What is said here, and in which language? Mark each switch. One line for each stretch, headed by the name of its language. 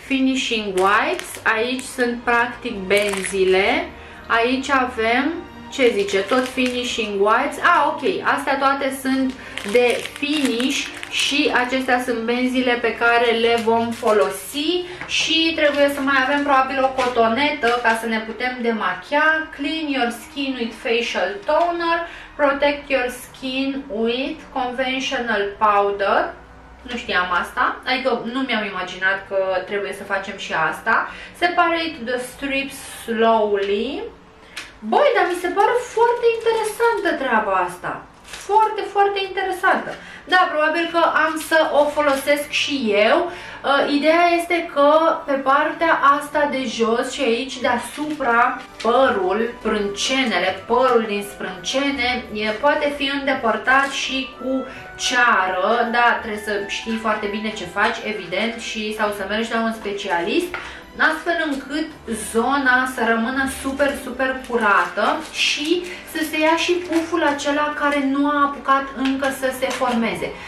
Romanian: Finishing wipes, aici sunt practic benzile, aici avem, ce zice, tot finishing wipes. Ok, astea toate sunt de finish și acestea sunt benzile pe care le vom folosi și trebuie să mai avem probabil o cotonetă ca să ne putem demachia.
English: Clean your skin with facial toner, protect your skin with conventional powder.
Romanian: Nu știam asta, adică nu mi-am imaginat că trebuie să facem și asta.
English: Separate the strips slowly.
Romanian: Băi, dar mi se pare foarte interesantă treaba asta. Foarte, foarte interesantă. Da, probabil că am să o folosesc și eu. Ideea este că pe partea asta de jos și aici deasupra, părul, sprâncenele, părul din sprâncene poate fi îndepărtat și cu ceară, dar trebuie să știi foarte bine ce faci, evident, și sau să mergi la un specialist, astfel încât zona să rămână super, super curată și să se ia și puful acela care nu a apucat încă să se formeze.